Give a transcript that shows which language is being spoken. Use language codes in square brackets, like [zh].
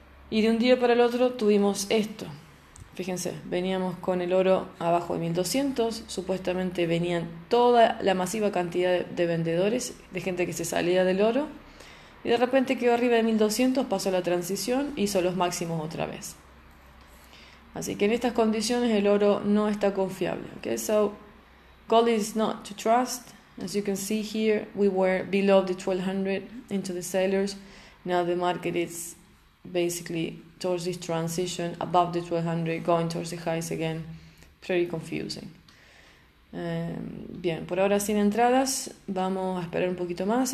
[es] Y de un día para el otro tuvimos esto. Fíjense, veníamos con el oro abajo de 1200, supuestamente venían toda la masiva cantidad de vendedores, de gente que se salía del oro. Y de repente quedó arriba de 1200, pasó la transición, hizo los máximos otra vez. Así que en estas condiciones el oro no está confiable. [en] Okay, so gold is not to trust. As you can see here, we were below the 1200 into the sellers. Now the market is basically towards this transition above the 1200, going towards the highs again. Pretty confusing. [es] Bien, por ahora sin entradas, vamos a esperar un poquito más.